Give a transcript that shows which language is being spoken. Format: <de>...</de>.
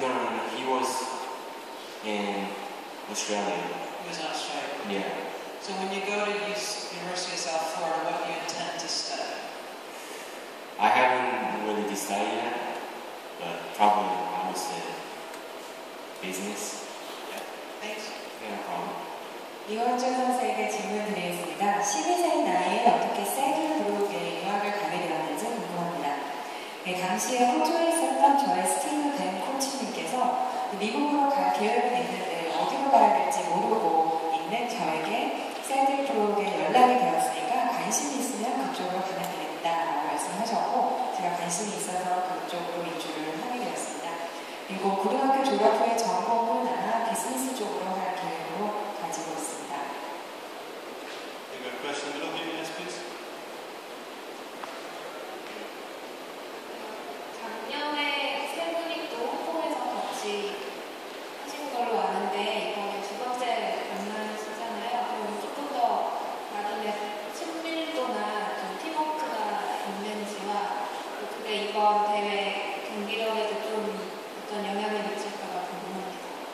<en>No, he was in Australia. He was in Australia? Yeah. So when you go to University of South Florida, what do you intend to study? I haven't really decided yet, but probably I would say business. Yeah. Thanks. Yeah, no problem.</en> <ko>이원준 선수에게 질문 드리겠습니다. 12세의 나이에 어떻게 세드브룩에 유학을 가게 되었는지 궁금합니다. 네, 당시에 호주에 있었던 저의 스티브 벤 코치님께서 미국으로 갈 계획이 있는데 어디로 가야 될지 모르고 있는 저에게 세드브룩에 연락이 되었으니까 관심이 있으면 그쪽으로 보내드립니다 라고 말씀하셨고 제가 관심이 있어서 그쪽으로 이주를 하게 되었습니다. 그리고 고등학교 졸업 후에 전공은 아마 비즈니스 쪽으로 갈 계획으로 가지고 있습니다.</ko> <en>You got a question in the middle here, yes, please.</en> <ko>작년에 세브룩도 홍콩에서 같이 하신 걸로 아는데 이번에 두 번째 만남이시잖아요. 그럼 조금 더 나름의 친밀도나 좀 팀워크가 있는지와 그게 이번 대회 경기력에도 좀 어떤 영향이 미칠까가 궁금합니다.</ko>